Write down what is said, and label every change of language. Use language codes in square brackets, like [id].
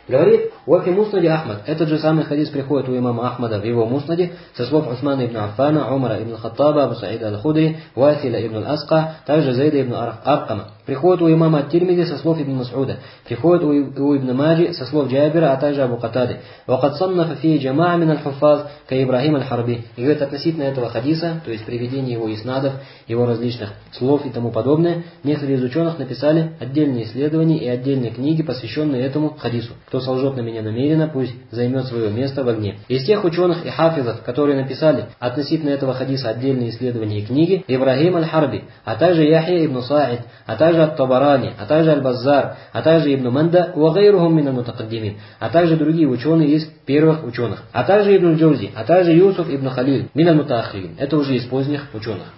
[ru] Говорит «Вафи муснади Ахмад». Этот же самый хадис приходит у имама Ахмада в его муснаде со слов Усмана ибн Аффана, Умара ибн Хаттаба, Абу Саида аль-Худри, Вафиля ибн Аска, также Зайда ибн Аркама. Приходит у имама Тирмиди со слов ибн Масуда. Приходит у ибн Маджи со слов Джабира, а также Абу Катады. [ar] وقد صنف فيه جماعة من الحفاظ كإبراهيم الحربي. [ru] И говорит, относительно этого хадиса, то есть приведения его иснадов, его различных слов и тому подобное, некоторые из ученых написали отдельные исследования и отдельные книги, посвященные этому хадису. Кто солжет на меня намеренно, пусть займет свое место в огне. Из тех ученых и хафизов, которые написали относительно этого хадиса отдельные исследования и книги, Ибрахим аль-Харби, а также Яхья ибн Саид, а также ат-Табарани, а также аль-Баззар, а также ибн Манда, ва гайрухум мин аль-мутакаддимин, а также другие ученые из первых ученых, а также ибн Джузи, а также Юсуф ибн Халиль, мин аль-мутаахирин, это уже из поздних ученых.